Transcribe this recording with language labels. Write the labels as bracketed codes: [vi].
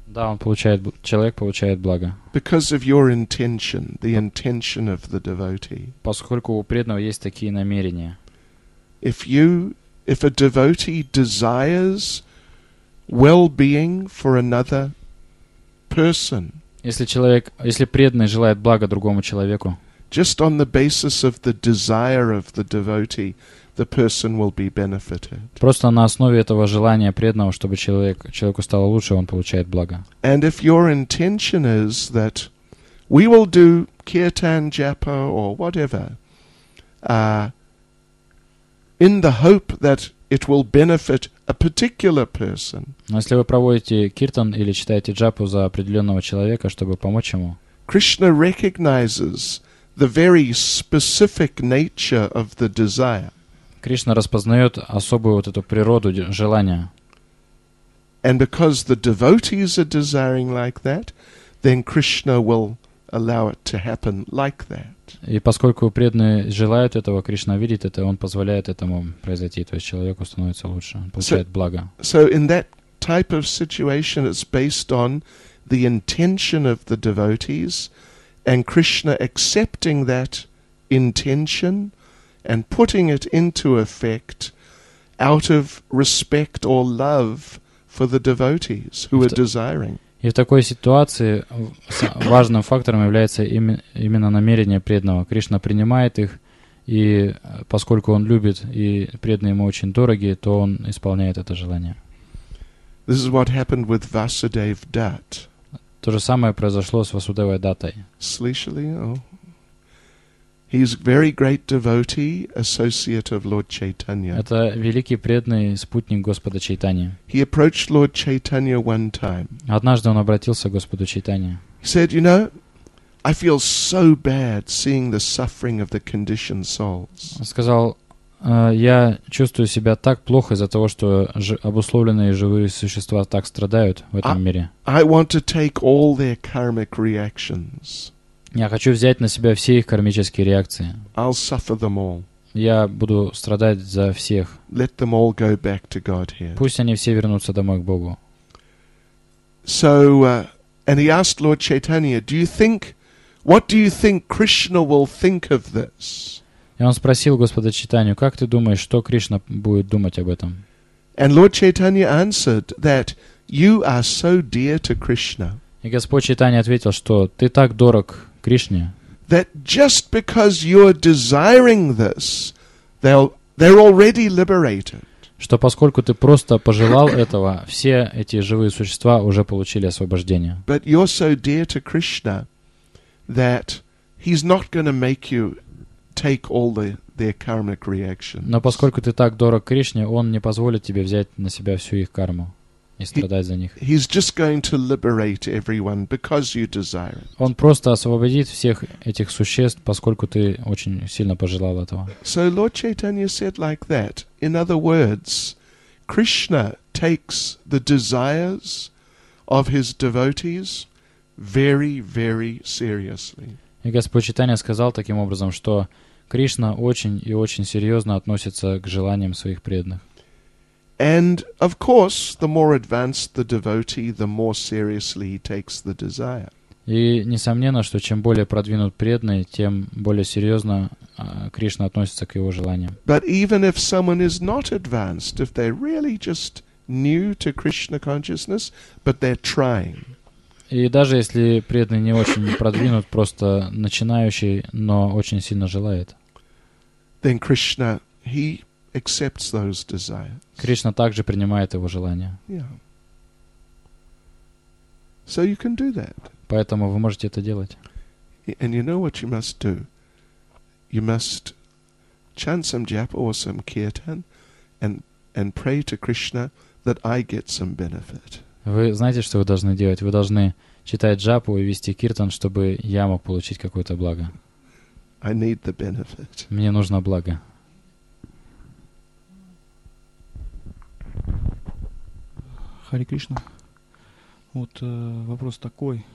[ru] Да, он получает, человек получает благо. [en] Because of your intention, the intention of the devotee. [ru] Поскольку у преданного есть такие намерения. [en] If a devotee desires well-being for another person. [ru] Если преданный желает блага другому человеку. [en] Just on the basis of the desire of the devotee, the person will be benefited. [ru] Просто на основе этого желания преданного, чтобы человеку стало лучше, он получает благо. [en] And if your intention is that we will do kirtan, japa or whatever in the hope that it will benefit a particular person. [ru] Но если вы проводите киртан или читаете джапу за определенного человека, чтобы помочь ему. [en] Krishna recognizes the very specific nature of the desire. [ru] Кришна распознает особую вот эту природу желания. [en] And because the devotees are desiring like that, then Krishna will allow it to happen like that. [ru] И поскольку преданные желают этого, Кришна видит это, он позволяет этому произойти, то есть человеку становится лучше, получает благо. [en] So in that type of situation, it's based on the intention of the devotees and Krishna accepting that intention and putting it into effect out of respect or love for the devotees who are desiring. [ru] И в такой ситуации важным фактором является именно намерение преданного. Кришна принимает их, и поскольку он любит, и преданные ему очень дороги, то он исполняет это желание. [en] This is what happened with Vasudev Dutt. [ru] То же самое произошло с Васудевой Даттой. Слышали? [en] He is very great devotee, associate of Lord Chaitanya. [ru] Это великий преданный спутник Господа Чайтаньи. [en] He approached Lord Chaitanya one time. [ru] Однажды он обратился к Господу Чайтанье. [en] He said, "You know, I feel so bad seeing the suffering of the conditioned souls." [ru] Он сказал: "Я чувствую себя так плохо из-за того, что обусловленные живые существа так страдают в этом мире." [en] I want to take all their karmic reactions. [ru] Я хочу взять на себя все их кармические реакции. [en] I'll suffer them all. [ru] Я буду страдать за всех. [en] Let them all go back to Godhead. [ru] Пусть они все вернутся домой к Богу. [en] So, and he asked Lord Chaitanya, what do you think Krishna will think of this? [ru] И он спросил Господа Чайтанью, как ты думаешь, что Кришна будет думать об этом? [en] And Lord Chaitanya answered that you are so dear to Krishna. [ru] И Господь Чайтанья ответил, что ты так дорог Кришне. [en] That just because you're desiring this, they're already liberated. [ru] Что поскольку ты просто пожелал этого, все эти живые существа уже получили освобождение. [en] But you're so dear to Krishna that he's not going to make you take all their karmic reactions. [ru] Но поскольку ты так дорог Кришне, он не позволит тебе взять на себя всю их карму. и страдать за них. [en] He's just going to liberate everyone because you desire it. [ru] Он просто освободит всех этих существ, поскольку ты очень сильно пожелал этого. [en] So Lord Chaitanya said like that. In other words, Krishna takes the desires of his devotees very, very seriously. [ru] И Господь Чайтанья сказал таким образом, что Кришна очень и очень серьезно относится к желаниям своих преданных. [en] And of course, the more advanced the devotee, the more seriously he takes the desire. [ru] И несомненно, что чем более продвинут преданный, тем более серьезно Кришна относится к его желаниям. [en] But even if someone is not advanced, if they're really just new to Krishna consciousness, but they're trying. [ru] И даже если преданный не очень продвинут, просто начинающий, но очень сильно желает, [en] then Krishna, he accepts those desires. [ru] Кришна также принимает его желания. [en] Yeah. So you can do that. [ru] Поэтому вы можете это делать. [en] And you know what you must do? You must chant some japa or some kirtan and pray to Krishna that I get some benefit. [ru] Вы знаете, что вы должны делать? Вы должны читать джапу и вести киртан, чтобы я мог получить какое-то благо. [en] I need the benefit. [ru] Мне нужно благо. Хари Кришна. Вот вопрос такой.